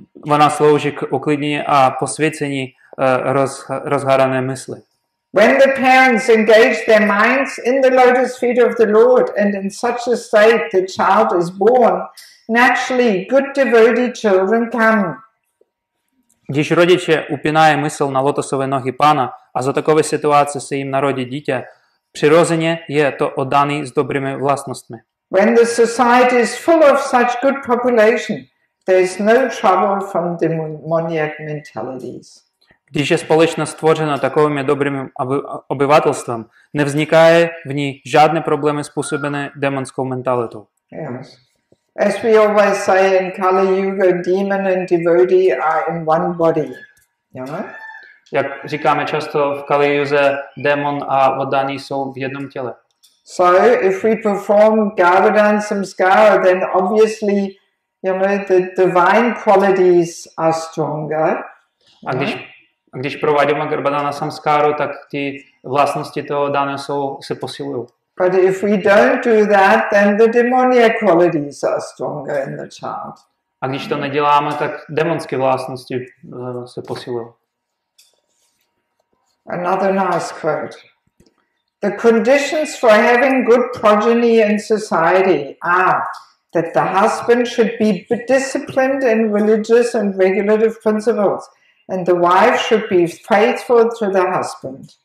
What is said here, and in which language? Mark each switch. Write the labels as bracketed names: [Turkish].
[Czech] Ona slouží k uklidnění a posvěcení rozhrané mysli. [English] When the parents engage their minds in the lotus feet of the Lord and in such a state the child is born, naturally good devotee children come. [Czech] Když rodiče upínají mysl na lotosové nohy pána a za takové situace se jim narodí dítě, přirozeně je to oddaný s dobrými vlastnostmi. [English] When the society is full of such good population, there is no trouble from demoniac mentalities. [Czech] Když je společnost stvořena takovým dobrým obyvatelstvem, nevznikají v ní žádné problémy způsobené démonskou mentalitou. [English] Yes. As we always say in Kali Yuga, demon and devotee are in one body. You know? [Czech] Jak říkáme často v Kali Yuze, démon a oddaný jsou v jednom těle. [English] So, if we perform Garbhadhan Samskara, then obviously, you know, the divine qualities are stronger. [Czech] A když provádíme Garbhadhana Samskaru, tak ty vlastnosti toho dána jsou se posilují. [English] But if we don't do that, then the demonic qualities are stronger in the child. [Czech] A když to neděláme, tak demonské vlastnosti se posilují. [English] Another nice quote. The conditions for having good progeny in society are that the husband should be disciplined in religious and regulative principles. And the wife should be faithful to the husband.